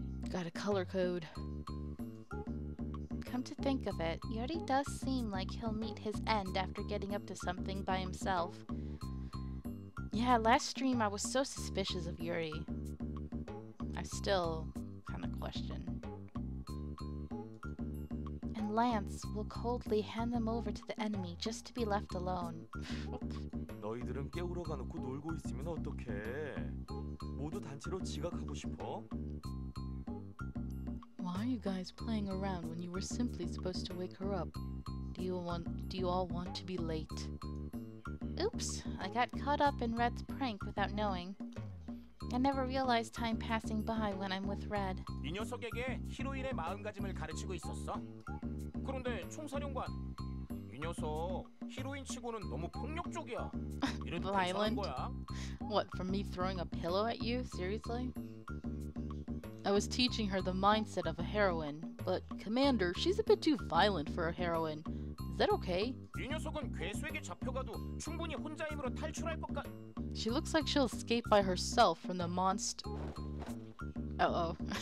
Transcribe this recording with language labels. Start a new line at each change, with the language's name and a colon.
English: Got a color code. Come to think of it, Yuri does seem like he'll meet his end after getting up to something by himself. Yeah, last stream I was so suspicious of Yuri. I still kind of question. And Lance will coldly hand them over to the enemy just to be left alone.
Korean: 너희들은 깨우러 가놓고 놀고 있으면 어떡해? 모두 단체로 지각하고 싶어?
English: Why are you guys playing around when you were simply supposed to wake her up? Do you all want to be late? Oops, I got caught up in Red's prank without knowing. I never realized time passing by when I'm with Red.
Korean: 이 녀석에게 히로인의 마음가짐을 가르치고 있었어. 그런데 총사령관, 이 녀석 히로인 치고는 너무 폭력적이야. 이래도 괜찮은 거야?
English: What, from me throwing a pillow at you? Seriously? I was teaching her the mindset of a heroine, but Commander, she's a bit too violent for a heroine. Is that okay?
Korean: 이 녀석은 괴수에게 잡혀가도 충분히 혼자 힘으로 탈출할 것 같...
English: She looks like she'll escape by herself from the monster... Uh-oh.